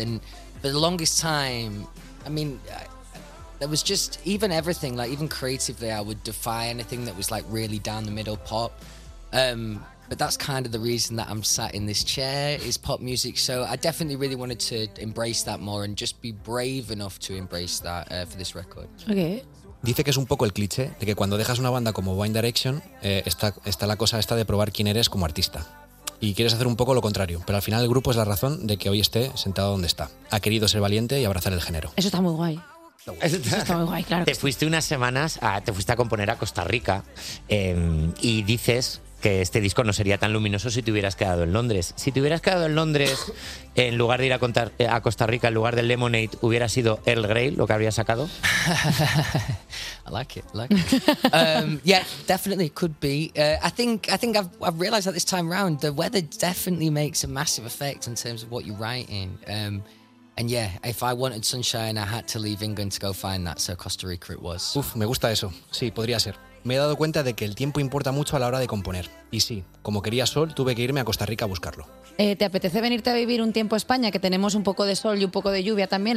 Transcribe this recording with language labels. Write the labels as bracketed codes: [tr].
[en] And for the longest time, I mean, there was just even everything, like even creatively, I would defy anything that was like really down the middle pop. But that's kind of the reason that I'm sat in this chair, is pop music. So I definitely really wanted to embrace that more and just be brave enough to embrace that for this record. Okay. [es] Dice que es un poco el cliché de que cuando dejas una banda como One Direction, está la cosa esta de probar quién eres como artista. Y quieres hacer un poco lo contrario, pero al final el grupo es la razón de que hoy esté sentado donde está. Ha querido ser valiente y abrazar el género. Eso está muy guay. Eso está muy guay, claro. Te fuiste unas semanas, te fuiste a componer a Costa Rica y dices que este disco no sería tan luminoso si te hubieras quedado en Londres. Si te hubieras quedado en Londres, en lugar de ir a Costa Rica, en lugar de Lemonade, ¿hubiera sido Earl Grey lo que habría sacado? [en] I like it. Yeah, definitely could be. I think I've realized that this time round, the weather definitely makes a massive effect in terms of what you write in. And yeah, if I wanted sunshine, I had to leave England to go find that, so Costa Rica it was. [es] Uf, me gusta eso. Sí, podría ser. Me he dado cuenta de que el tiempo importa mucho a la hora de componer. Y sí, como quería sol, tuve que irme a Costa Rica a buscarlo. ¿Te apetece venirte a vivir un tiempo a España? Que tenemos un poco de sol y un poco de lluvia también.